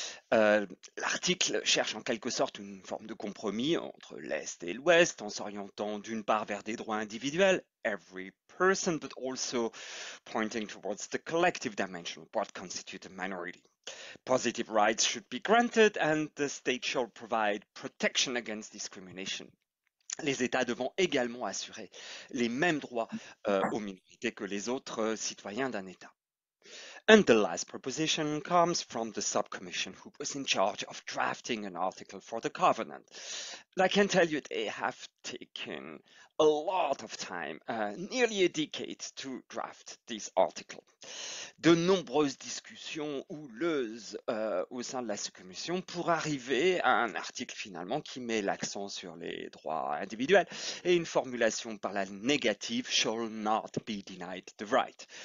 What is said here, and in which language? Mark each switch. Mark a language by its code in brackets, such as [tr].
[fr] L'article cherche en quelque sorte une forme de compromis entre l'Est et l'Ouest en s'orientant d'une part vers des droits individuels, [en] every person, but also pointing towards the collective dimension of what constitutes a minority. Positive rights should be granted and the state shall provide protection against discrimination. [fr] Les États devront également assurer les mêmes droits aux minorités que les autres citoyens d'un État. [en] And the last proposition comes from the subcommission who was in charge of drafting an article for the Covenant. I can tell you they have taken a lot of time, nearly a decade, to draft this article. [fr] De nombreuses discussions houleuses au sein de la sous-commission pour arriver à un article finalement qui met l'accent sur les droits individuels et une formulation par la négative [en] shall not be denied the right.